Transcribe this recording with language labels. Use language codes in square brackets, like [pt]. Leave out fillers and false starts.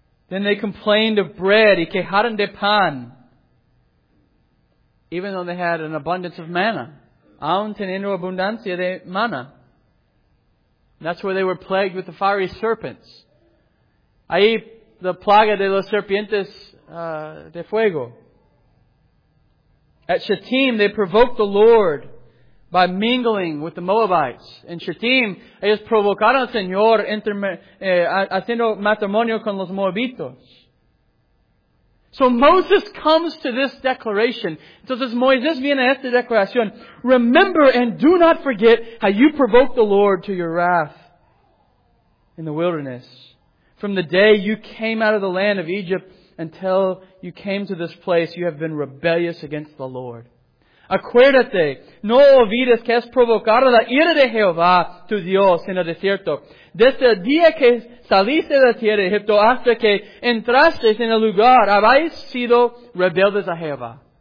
[en] Then they complained of bread [es] y quejaron de pan, [en] even though they had an abundance of manna. [es] Aún teniendo abundancia de maná. [en] That's where they were plagued with the fiery serpents. [es] Ahí, la plaga de los serpientes de fuego. [en] At Shittim, they provoked the Lord by mingling with the Moabites. [es] In Shittim, ellos provocaron al Señor haciendo matrimonio con los Moabitos. [en] So Moses comes to this declaration. [es] Entonces Moisés viene a esta declaración. [en] Remember and do not forget how you provoked the Lord to your wrath in the wilderness. From the day you came out of the land of Egypt until you came to this place, you have been rebellious against the Lord. [es] Acuérdate, no olvides que has provocado la ira de Jehová tu Dios en el desierto. Desde el día que saliste de la tierra de Egipto hasta que entraste en el lugar, habéis sido rebeldes a Jehová.